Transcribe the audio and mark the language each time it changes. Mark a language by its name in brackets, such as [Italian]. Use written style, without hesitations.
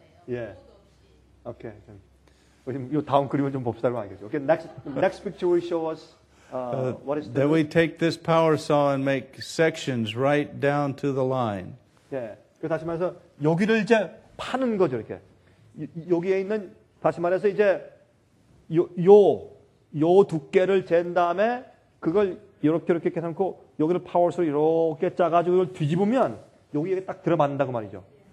[Korean] 예. 오케이. 그럼 요 다음 그림을 좀 봅시다. 알겠죠? [English] Okay, next picture will show us what is the Then we take this power saw and make sections right down to the line. [Korean] 예. 그 다시 말해서 여기를 이제 파는 거죠, 이렇게. 여기에 있는 다시 말해서 이제 요 두께를 잰 다음에 그걸 이렇게 해 놓고 여기를 파워 사로 이렇게 짜 가지고 이걸 뒤집으면 여기에 딱 들어맞는다고 말이죠.